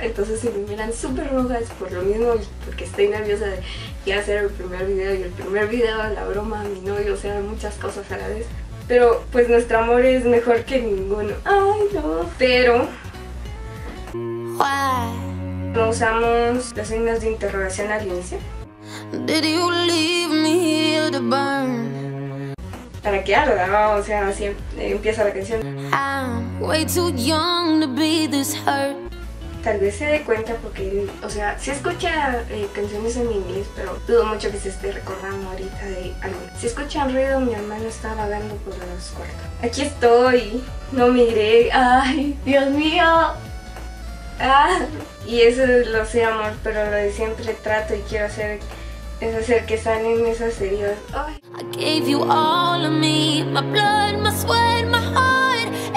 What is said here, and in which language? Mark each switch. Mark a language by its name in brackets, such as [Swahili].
[Spanish] Entonces si me miran súper roja es por lo mismo, porque estoy nerviosa de ya hacer el primer video. Y el primer video, la broma, mi novio, o sea, muchas cosas a la vez. Pero pues nuestro amor es mejor que ninguno. ¡Ay, no! Pero no usamos las señas de interrogación al inicio. [English] Did you leave me here to burn? [Spanish] Para que arda, ¿no? O sea, así empieza la canción. [English] I'm way too young to be this hurt. [Spanish] Tal vez se dé cuenta porque, o sea, si escucha canciones en inglés, pero dudo mucho que se esté recordando ahorita de algo. Si escuchan ruido, mi hermano está vagando por los cuartos. Aquí estoy, no miré, ay, Dios mío. Ah. Y eso lo sé, amor, pero lo de siempre trato y quiero hacer es hacer que salen esas heridas. Ay. [English] I gave you all of me, my blood, my sweat, my heart.